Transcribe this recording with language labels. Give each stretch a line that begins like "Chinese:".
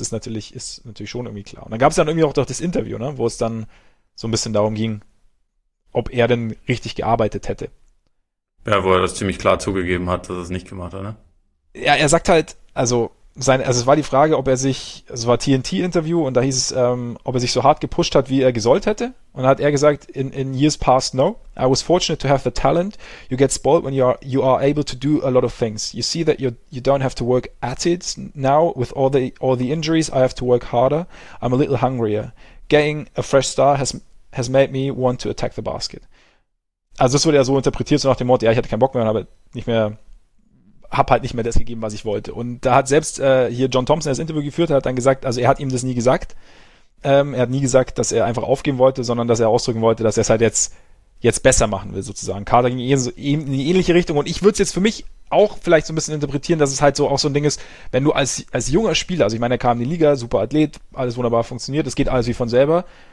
German: Es ist natürlich schon irgendwie klar. Und dann gab es dann irgendwie auch doch das Interview, ne, wo es dann so ein bisschen darum ging, ob er denn richtig gearbeitet hätte. Ja, wo er das ziemlich klar zugegeben hat, dass er es nicht gemacht hat, ne? Ja, er sagt halt, also es war die Frage, ob er sich, es war TNT-Interview, und da hieß es, ob er sich so hart gepusht hat, wie er gesollt hätte. Und dann hat er gesagt,
English: in years past, no. I was fortunate to have the talent. You get spoiled when you are able to do a lot of things. You see that you don't have to work at it now with all the injuries. I have to work harder. I'm a little hungrier. Getting a fresh start has made me want to attack the basket.
German: Also das wurde ja so interpretiert, so nach dem Motto, ja, ich hatte keinen Bock mehr, aber nicht mehr. Hab halt nicht mehr das gegeben, was ich wollte. Und da hat selbst hier John Thompson das Interview geführt, hat dann gesagt, also er hat ihm das nie gesagt. Er hat nie gesagt, dass er einfach aufgeben wollte, sondern dass er ausdrücken wollte, dass er es halt jetzt jetzt besser machen will, sozusagen. Kader ging in eine ähnliche Richtung. Und ich würde es jetzt für mich auch vielleicht so ein bisschen interpretieren, dass es halt so auch so ein Ding ist, wenn du als junger Spieler, also ich meine, er kam in die Liga, super Athlet, alles wunderbar funktioniert, es geht alles wie von selber.